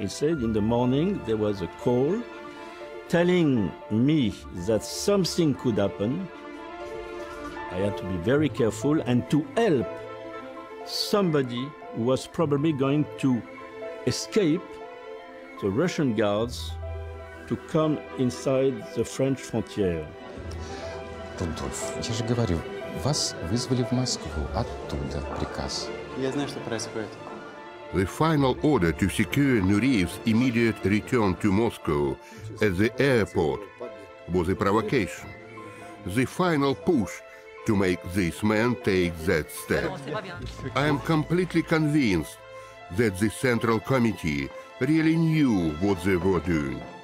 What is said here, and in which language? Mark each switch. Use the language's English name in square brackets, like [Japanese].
[English] He said in the morning there was a call telling me that something could happen. I had to be very careful and to help somebody who was probably going to escape the Russian guards to come inside the French frontier. [Russian] Rudolf, я же говорю, вас вызвали в Москву, оттуда приказ. [English] The final order to secure Nureyev's immediate return to Moscow at the airport was a provocation. The final push to make this man take that step. I am completely convinced that the Central Committee really knew what they were doing.